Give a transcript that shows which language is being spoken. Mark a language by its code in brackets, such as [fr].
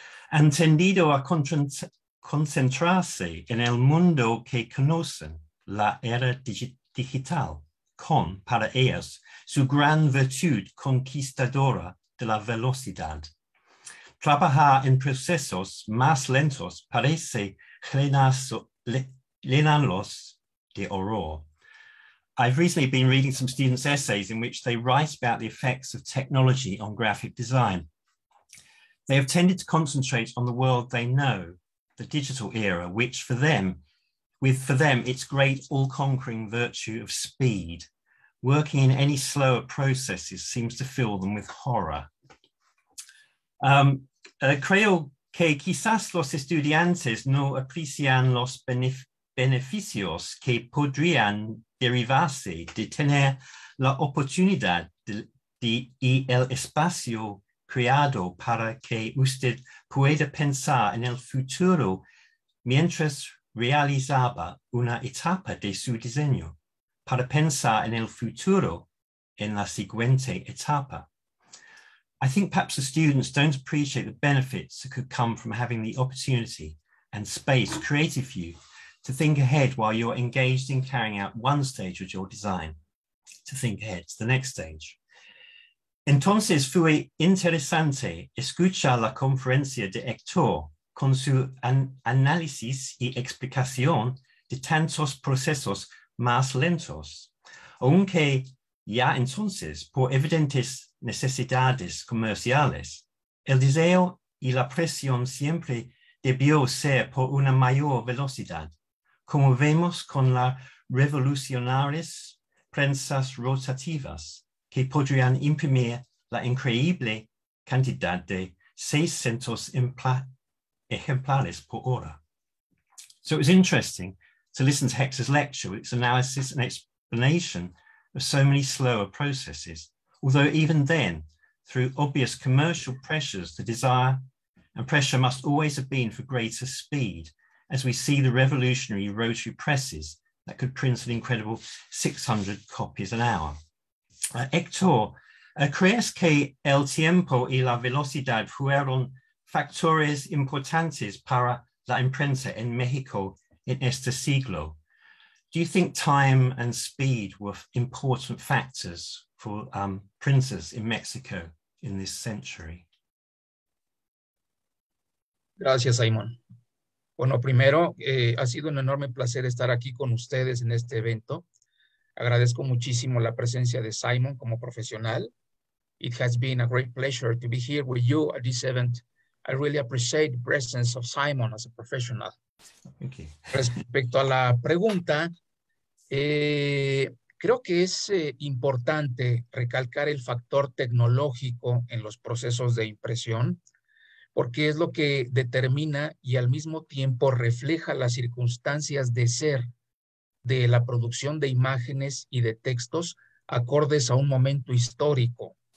[es] Han tendido a concentrarse en el mundo que conocen, la era digital, con, para ellos, su gran virtud conquistadora de la velocidad. Trabajar en procesos más lentos parece llenarlos de horror. [en] I've recently been reading some students' essays in which they write about the effects of technology on graphic design. They have tended to concentrate on the world they know, the digital era, which for them, with for them, its great all-conquering virtue of speed. Working in any slower processes seems to fill them with horror. [es] Creo que quizás los estudiantes no aprecian los beneficios que podrían derivarse de tener la oportunidad y el espacio creado para que usted pueda pensar en el futuro mientras realizaba una etapa de su diseño. Para pensar en el futuro en la siguiente etapa. [en] I think perhaps the students don't appreciate the benefits that could come from having the opportunity and space created for you to think ahead while you're engaged in carrying out one stage of your design, to think ahead to the next stage. [es] Entonces fue interesante escuchar la conferencia de Héctor con su análisis y explicación de tantos procesos más lentos, aunque ya entonces, por evidentes necesidades comerciales, el deseo y la presión siempre debió ser por una mayor velocidad, como vemos con las revolucionarias prensas rotativas que podrían imprimir la increíble cantidad de 600 ejemplares por hora. [en] So it was interesting to listen to Hector's lecture, its analysis and explanation of so many slower processes, although even then, through obvious commercial pressures, the desire and pressure must always have been for greater speed, as we see the revolutionary rotary presses that could print an incredible 600 copies an hour. [es] Hector, ¿crees que el tiempo y la velocidad fueron factores importantes para la imprenta en México en este siglo? [en] Do you think time and speed were important factors for printers in Mexico in this century? [es] Gracias, Simon. Bueno, primero, ha sido un enorme placer estar aquí con ustedes en este evento. Agradezco muchísimo la presencia de Simon como profesional. [en] It has been a great pleasure to be here with you at this event. I really appreciate the presence of Simon as a professional. Thank you. [es] Respecto a la pregunta, creo que es importante recalcar el factor tecnológico en los procesos de impresión, porque es lo que determina y al mismo tiempo refleja las circunstancias de ser de la producción de imágenes y de textos acordes a un momento histórico.